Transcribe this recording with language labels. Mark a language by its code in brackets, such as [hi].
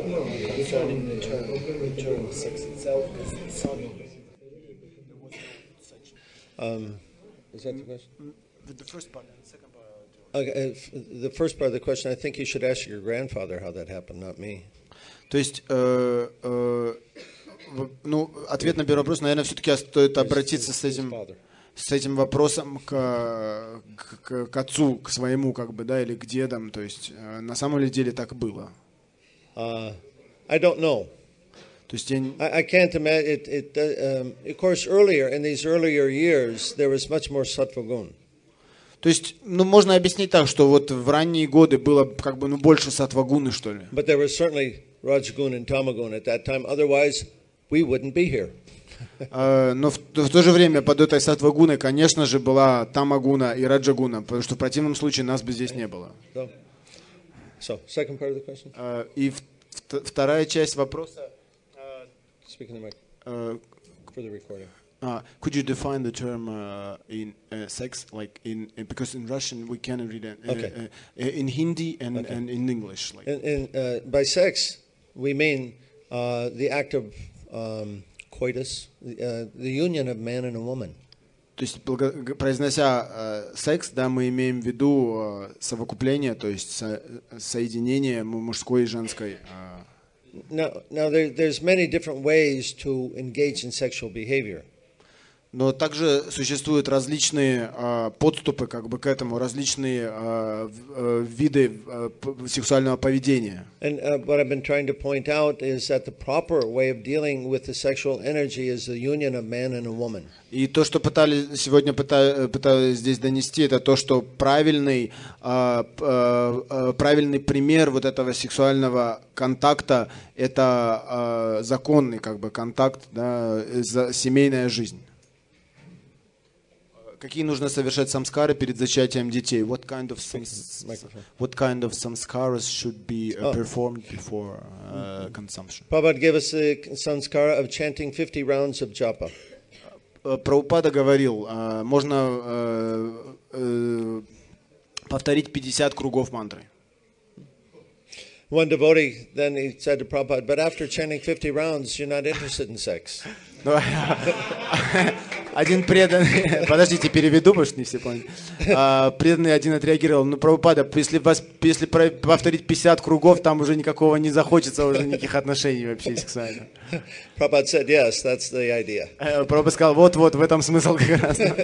[en] the first part of the question, I think you should ask your grandfather how that happened, not me. [ru] То есть, ну, ответ на первый вопрос, наверное, все-таки стоит обратиться с этим вопросом к отцу, к своему, как бы, да, или к дедам. То есть, на самом ли деле так было? [en] I don't know. [ru] То есть, я... [en] I can't imagine. Of course, earlier, in these earlier years, there was much more sattva-gun. [ru] То есть, ну, можно объяснить так, что вот в ранние годы было как бы, ну, больше сатвагуны, что ли. [en] But there was certainly rajagun and tamagun at that time, otherwise we wouldn't be here. [ru] Но в то же время под этой сатвагуной, конечно же, была тамагуна и раджагуна, потому что в противном случае нас бы здесь не было. [en] So, second part of the question. [ru] И вторая часть вопроса. [en] Speaking the mic for the recording. Could you define the term in sex, like in because in Russian we cannot read it in Hindi and in English. Like. And by sex, we mean the act of coitus, the union of man and a woman. [ru] То есть произнося секс, да, мы имеем в виду совокупление, то есть соединение мужской и женской. [en] Now there's many different ways to engage in sexual behavior. [ru] Но также существуют различные подступы как бы, к этому, различные виды сексуального поведения. [en] And what I've been trying to point out is that the proper way of dealing with the sexual energy is the union of man and a woman. [ru] И то, что пытались здесь донести, это то, что правильный пример вот этого сексуального контакта – это законный как бы, контакт, да, семейная жизнь. Какие нужно совершать самскары перед зачатием детей? [en] What kind of samskaras should be performed before consumption? Prabhupada gave us a samskara of chanting 50 rounds of japa. [ru] Прабхупада говорил, можно повторить 50 кругов мантры. [en] One devotee then he said to Prabhupada, but after chanting 50 rounds, you're not interested in sex. [ru] один преданный, подождите, переведу, потому что не все поняли. Преданный один отреагировал: ну, Прабхупада, если, вас, если повторить 50 кругов, там уже никакого не захочется, уже никаких отношений вообще с вами. [en] Прабхупада said, yes, that's the idea. [ru] Прабхупада сказал, вот-вот, в этом смысл как раз.